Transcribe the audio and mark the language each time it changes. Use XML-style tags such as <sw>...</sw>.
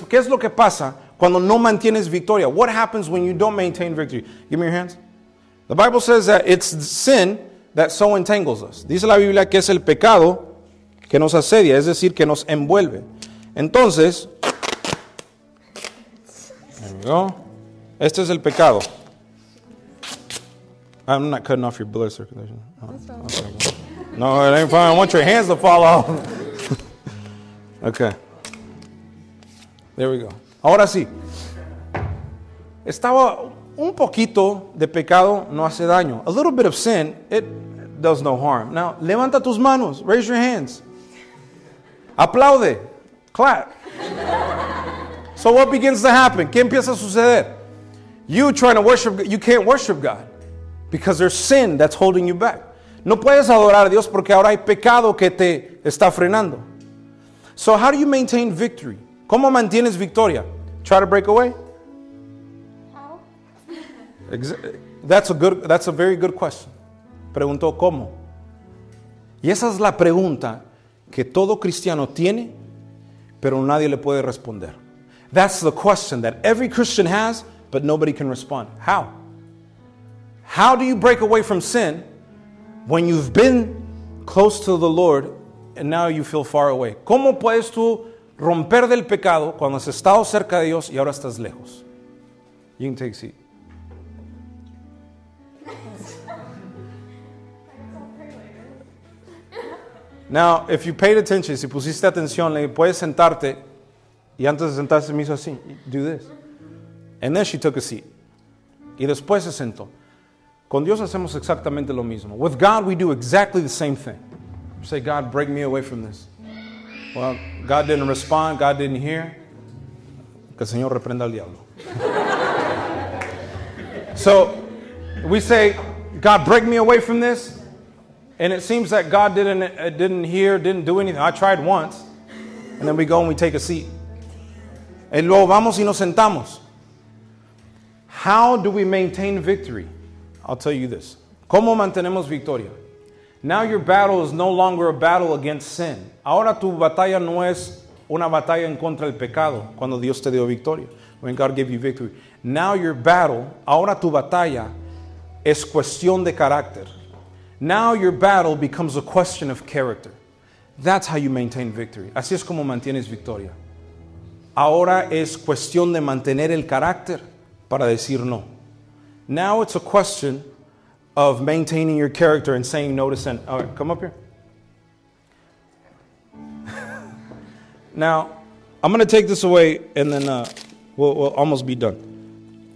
<es>¿Qué es lo que pasa cuando no mantienes victoria?</es> <en>What happens when you don't maintain victory? Give me your hands. The Bible says that it's sin that so entangles us.</en> <es>Dice la Biblia que es el pecado que nos asedia, es decir, que nos envuelve. Entonces,</es> <en>there we go.</en> <es>Este es el pecado.</es> <en>I'm not cutting off your blood circulation. Oh, okay. No, it ain't fine. I want your hands to fall off. Okay. There we go.</en> <es>Ahora sí. Estaba un poquito de pecado, no hace daño.</es> <en>A little bit of sin, it does no harm. Now,</en> <es>levanta tus manos.</es> <en>Raise your hands.</en> <es>Aplaude.</es> <en>Clap. So what begins to happen?</en> <es>¿Qué empieza a suceder?</es> <en>You trying to worship, you can't worship God because there's sin that's holding you back.</en> <es>No puedes adorar a Dios porque ahora hay pecado que te está frenando.</es> <en>So how do you maintain victory?</en> <es>¿Cómo mantienes victoria?</es> <en>Try to break away? How? That's a very good question.</en> <es>Preguntó, ¿cómo? Y esa es la pregunta que todo cristiano tiene, pero nadie le puede responder.</es> <en>That's the question that every Christian has, but nobody can respond. How? How do you break away from sin when you've been close to the Lord and now you feel far away?</en> <es>¿Cómo puedes tú romper del pecado cuando has estado cerca de Dios y ahora estás lejos?</es> <en>You can take a seat. Now, if you paid attention,</en> <es>si pusiste atención, le puedes sentarte y antes de sentarse me hizo así,</es> <en>do this. And then she took a seat.</en> <es>Y después se sentó. Con Dios hacemos exactamente lo mismo.</es> <en>With God, we do exactly the same thing. Say, God, break me away from this. Well, God didn't respond. God didn't hear.</en> <es>Que el Señor reprenda al diablo.</es> <en>So, we say, God, break me away from this. And it seems that God didn't hear, didn't do anything. I tried once. And then we go and we take a seat.</en> <es>Y luego vamos y nos sentamos.</es> <en>How do we maintain victory? I'll tell you this.</en> <es>¿Cómo mantenemos victoria?</es> <en>Now your battle is no longer a battle against sin.</en> <es>Ahora tu batalla no es una batalla en contra el pecado cuando Dios te dio victoria.</es> <en>When God gave you victory. Now your battle,</en> <es>ahora tu batalla es cuestión de carácter.</es> <en>Now your battle becomes a question of character. That's how you maintain victory.</en> <es>Así es como mantienes victoria. Ahora es cuestión de mantener el carácter para decir no.</es> <en>Now it's a question of maintaining your character and saying no to sin. All right, come up here. Now, I'm going to take this away and then we'll almost be done.</en>